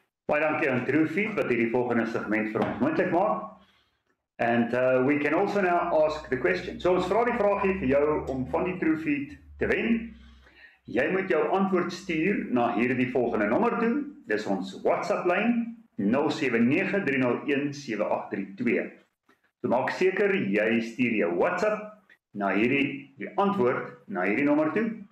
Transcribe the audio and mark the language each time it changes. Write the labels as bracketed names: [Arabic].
[Afrikaans] Baie dankie aan Troefie, wat hierdie volgende segment vir ons moontlik maak. [English] And we can also now ask the question. [Afrikaans] So ons vra die vraagie vir jou om van die trofee te wen. Jy moet jou antwoord stuur na hierdie volgende nommer toe. Dis ons WhatsApp lyn 0793017832. So maak seker jy stuur jou WhatsApp na hierdie die antwoord na hierdie nommer toe.